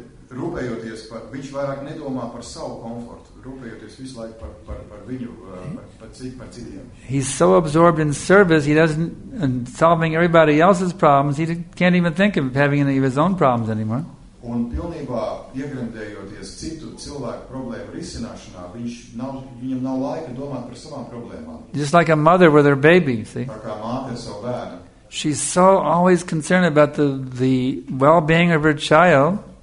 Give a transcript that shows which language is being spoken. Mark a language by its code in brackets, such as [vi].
[lv] Rūpējoties par, viņš vairāk nedomā par savu komfortu, rūpējoties visu laiku par viņu, par citiem. [en] He's so absorbed in service, he doesn't, and solving everybody else's problems, he can't even think of having any of his own problems anymore. [lv] Un pilnībā iegrimdējoties citu cilvēku problēmu risināšanā, viņam nav laika domāt par savām problēmām. [en] Just like a mother with her baby, see? [lv] Tā kā māte savu bērnu. [en] She's so always concerned about the well-being of her child.